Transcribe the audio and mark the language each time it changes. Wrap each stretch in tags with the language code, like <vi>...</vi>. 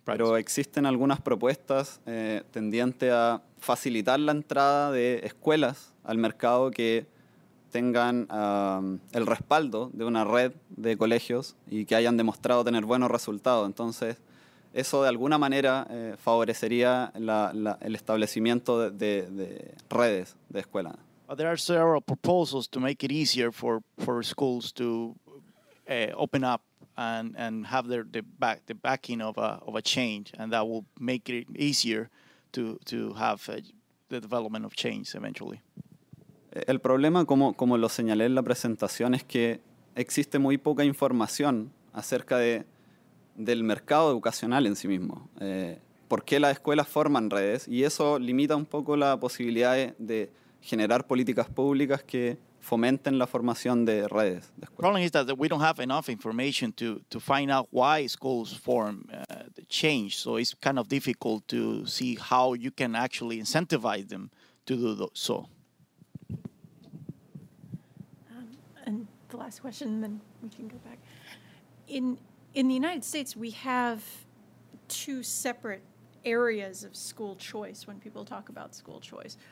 <es>Pero existen algunas propuestas tendientes a facilitar la entrada de escuelas al mercado que tengan el respaldo de una red de colegios y que hayan demostrado tener buenos resultados. Entonces, eso de alguna manera favorecería el establecimiento de redes de escuelas.</es> <en>But there are several proposals to make it easier for schools to open up and have the backing of a change, and that will make it easier to have the development of change eventually.</en> <es>El problema, como lo señalé en la presentación, es que existe muy poca información acerca del mercado educacional en sí mismo. ¿Por qué las escuelas forman redes? Y eso limita un poco la posibilidad de generar políticas públicas que fomenten la formación de redes.</es> <en>The problem is that we don't have enough information to find out why schools form the change. So it's kind of difficult to see how you can actually incentivize them to do so. And the last question, then we can go back. In the United States, we have two separate areas of school choice when people talk about school choice.</en>